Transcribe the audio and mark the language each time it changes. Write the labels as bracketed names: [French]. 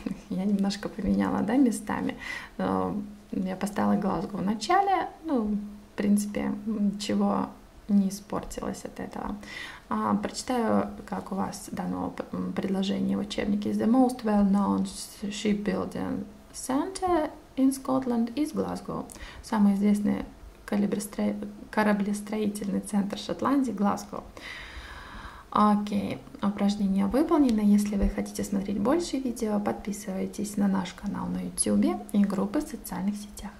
[Russian] Я немножко поменяла, да, местами. Я поставила Глазго в начале, ну, в принципе, ничего не испортилось от этого. Прочитаю, как у вас дано предложение в учебнике. [English] The most well-known shipbuilding center in Scotland is Glasgow. [Russian] Самый известный кораблестроительный центр Шотландии – Глазго. Окей, упражнение выполнено. Если вы хотите смотреть больше видео, подписывайтесь на наш канал на YouTube и группы в социальных сетях.